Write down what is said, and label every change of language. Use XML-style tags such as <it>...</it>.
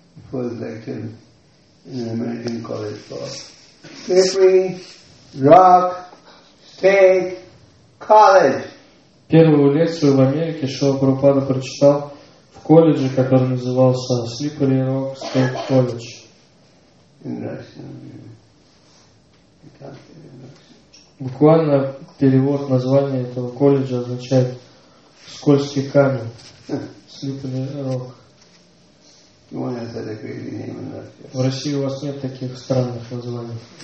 <en>First lecture in an American college for Slippery Rock State College.</en> <ru>Первую лекцию в Америке Шрила Прабхупада прочитал в колледже, который назывался Slippery Rock State College.</ru> <en>In Russian, I can't say in Russian.</en> <ru>Буквально перевод названия этого колледжа означает «Скользкий камень».</ru> <en>Slippery Rock.</en> <ru>В России у вас нет таких странных названий.</ru>